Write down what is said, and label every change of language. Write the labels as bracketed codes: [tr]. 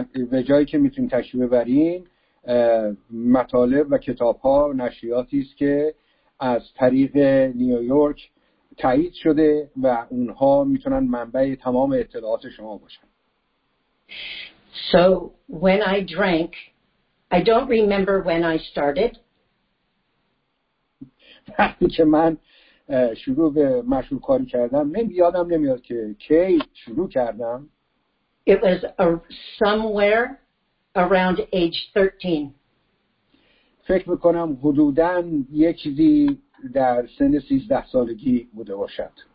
[fa] به جایی که میتونید تشریف ببرین مطالب و کتاب‌ها و نشریاتی است که از طریق نیویورک تایید شده و اونها میتونن منبع تمام اطلاعات شما باشن. [en] So when I drank, I don't remember when I started. [fa] وقتی که من شروع به مشروب کاری کردم یادم نمیاد که کی شروع کردم. [en] It was somewhere around age 13. [fa] فکر میکنم حدوداً یه چیزی در سن 13 سالگی بوده باشد.